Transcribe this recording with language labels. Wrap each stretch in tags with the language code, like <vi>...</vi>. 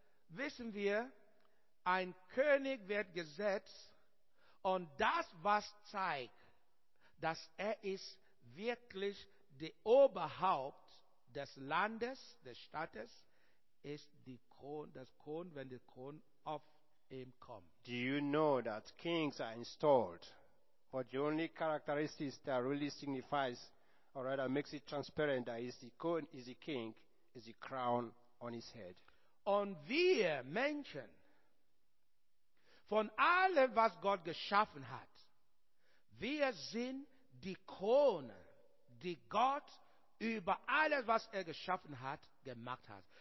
<de>Wissen wir, ein König wird gesetzt und das, was zeigt, dass ist wirklich der Oberhaupt des Landes, des Staates, ist die Krone, das Krone, wenn die Krone auf ihm kommt.</de> <en>Do you know that kings are installed? But the only characteristics that really signifies, or rather makes it transparent, that is the crown, is the king, is the crown on his head.</en> <de>Und wir Menschen, von allem, was Gott geschaffen hat, wir sind die Krone, die Gott über alles, was geschaffen hat, gemacht hat.</de>